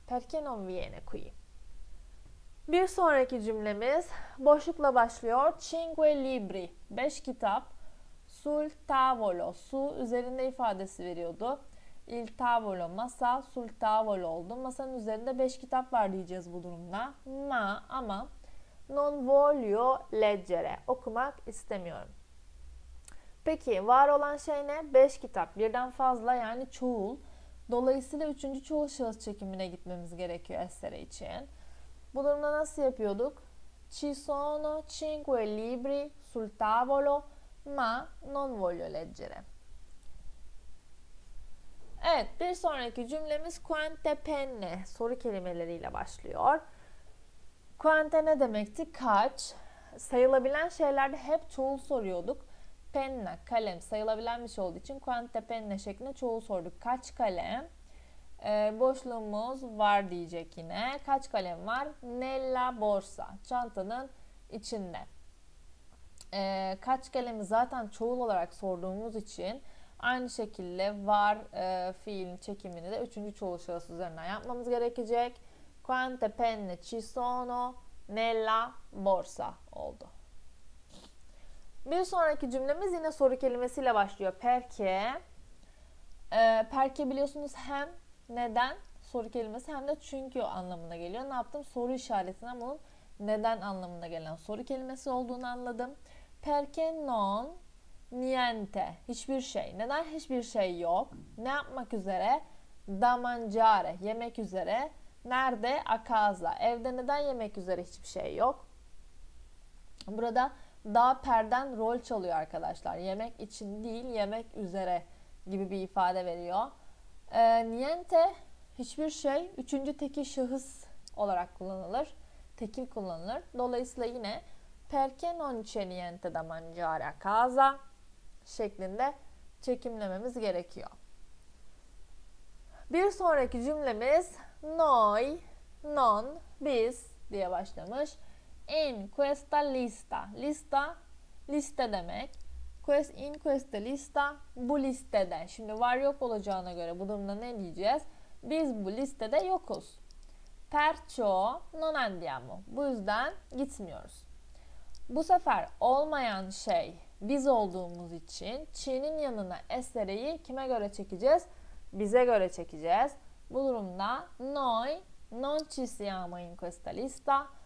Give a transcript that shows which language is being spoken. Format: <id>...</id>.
<it>Perché non viene qui?</it> <tr>Bir sonraki cümlemiz boşlukla başlıyor.</tr> <it>Cinque libri. 5 kitap. Sul tavolo.</it> <tr>Su üzerinde ifadesi veriyordu. Il tavolo masa. Sul tavolo oldu. Masanın üzerinde 5 kitap var diyeceğiz bu durumda.</tr> <it>Ma ama non voglio leggere.</it> <tr>Okumak istemiyorum. Peki var olan şey ne? 5 kitap. Birden fazla yani çoğul. Dolayısıyla üçüncü çoğul şahıs çekimine gitmemiz gerekiyor essere için. Bu durumda nasıl yapıyorduk?</tr> <it>Ci sono cinque libri sul tavolo, ma non voglio leggere.</it> <tr>Evet, bir sonraki cümlemiz quante penne soru kelimeleriyle başlıyor. Quante ne demekti? Kaç? Sayılabilen şeylerde hep çoğul soruyorduk. Penna, kalem sayılabilen bir şey olduğu için quante penne şeklinde çoğul sorduk. Kaç kalem? Boşluğumuz var diyecek yine. Kaç kalem var?</tr> <it>Nella borsa.</it> <tr>Çantanın içinde. Kaç kalemi zaten çoğul olarak sorduğumuz için aynı şekilde var fiilin çekimini de üçüncü çoğul şahıs üzerinden yapmamız gerekecek.</tr> <it>Quante penne ci sono nella borsa oldu.</it> <tr>Bir sonraki cümlemiz yine soru kelimesiyle başlıyor. Perché. Perché biliyorsunuz hem neden soru kelimesi hem de çünkü anlamına geliyor. Ne yaptım? Soru işaretinden bunun neden anlamına gelen soru kelimesi olduğunu anladım.</tr> <it>Perché non niente? Hiçbir şey.</it> <tr>Neden hiçbir şey yok? Ne yapmak üzere?</tr> <it>Da mangiare.</it> <tr>Yemek üzere. Nerede?</tr> <it>A casa.</it> <tr>Evde neden yemek üzere hiçbir şey yok? Burada da perden rol çalıyor arkadaşlar. Yemek için değil, yemek üzere gibi bir ifade veriyor. Niente, hiçbir şey, üçüncü tekil şahıs olarak kullanılır. Tekil kullanılır. Dolayısıyla yine</tr> <it>perché non c'è niente da mangiare a casa</it> <tr>şeklinde çekimlememiz gerekiyor. Bir sonraki cümlemiz noi, non, biz diye başlamış.</tr> <it>In questa lista.</it> <tr>Lista, liste demek.</tr> <it>In questa lista,</it> <tr>bu listede. Şimdi var yok olacağına göre bu durumda ne diyeceğiz? Biz bu listede yokuz.</tr> <it>Perciò non andiamo.</it> <tr>Bu yüzden gitmiyoruz. Bu sefer olmayan şey biz olduğumuz için çi'nin yanına essere'yi kime göre çekeceğiz? Bize göre çekeceğiz. Bu durumda</tr> <it>noi non ci siamo in questa lista.</it>